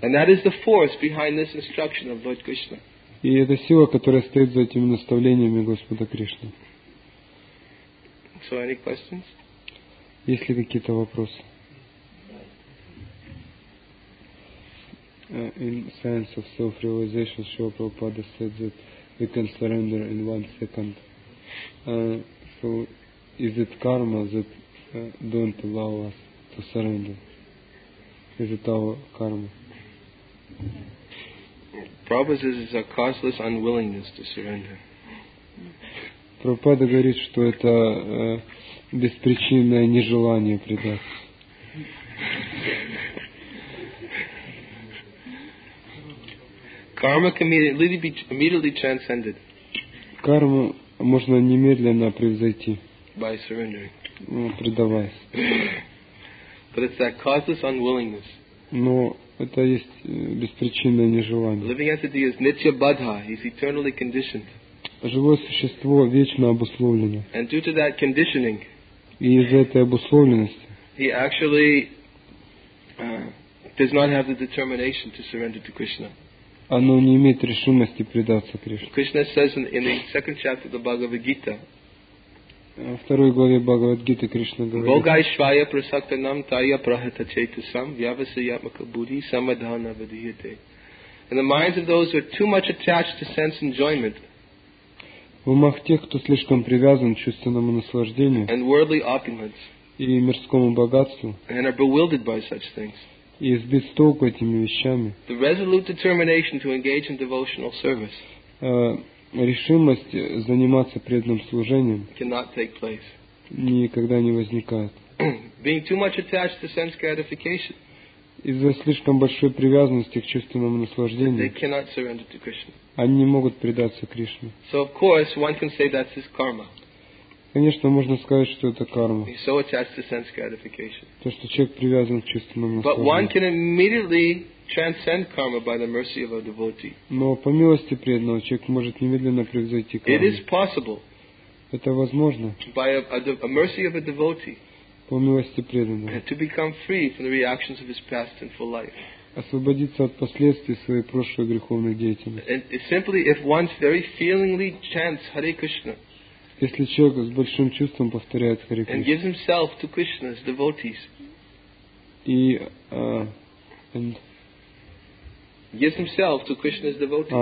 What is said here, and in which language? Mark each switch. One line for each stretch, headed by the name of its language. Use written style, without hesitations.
English: And that is the force behind this instruction of Lord Krishna.
Russian: И это сила, которая стоит за этими наставлениями Господа Кришны.
English: So any questions?
Russian: Есть ли какие-то вопросы?
English: In science of self-realization, Srila Prabhupada said that we can surrender in 1 second. So is it karma that don't allow us to surrender? Is it our karma? Prabhupada says it's a causeless unwillingness to surrender.
Russian: Prabhupada говорит, что это беспричинное нежелание предаться.
English: Karma can immediately be transcended.
Russian: Карму можно немедленно превзойти.
English: By surrendering.
Russian: Предаваясь.
English: But it's that causeless unwillingness.
Russian: Но это есть беспричинное нежелание.
English: Living entity is nitya badha, is eternally conditioned.
Russian: Живое существо вечно обусловлено.
English: And due to that conditioning.
Russian: И из-за этой обусловленности.
English: He actually does not have the determination to surrender to Krishna.
Russian: Оно не имеет решимости предаться Кришне.
English: Krishna says in the second chapter of the Bhagavad Gita.
Russian: В второй главе Бхагавад Гиты Кришна говорит.
Sanskrit: Богай швая прасактанам тая прахата чейтасам вьявасайатмака будхи самадхана вадхиете.
English: In the minds of those who are too much attached to sense enjoyment.
Russian: В умах тех, кто слишком привязан к чувственному наслаждению.
English: And worldly opulence.
Russian: И мирскому богатству.
English: And are bewildered by such things.
Russian: И сбит с толку этими вещами.
English: The resolute determination to engage in devotional service.
Russian: Решимость заниматься преданным служением.
English: Cannot take place.
Russian: Никогда не возникает.
English: Being too much attached to sense gratification.
Russian: Из-за слишком большой привязанности к чувственному наслаждению.
English: They cannot surrender to Krishna.
Russian: Они не могут предаться Кришне.
English: So of course one can say that's his karma.
Russian: Конечно, можно сказать, что это карма.
English: So attached to sense gratification.
Russian: То, что человек привязан к чувственному наслаждению.
English: But one can immediately transcend karma by the mercy of a devotee.
Russian: Но по милости преданного человек может немедленно превзойти карму.
English: It is possible.
Russian: Это возможно.
English: By a mercy of a devotee.
Russian: По милости преданного.
English: To become free from the reactions of his past and full life.
Russian: Освободиться от последствий своей прошлой греховной деятельности.
English: And simply if one very feelingly chants Hare Krishna.
Russian: Если человек с большим чувством повторяет Харе Кришна.
English: And gives himself to Krishna as devotees.
Russian: И
English: gives himself to Krishna as devotees.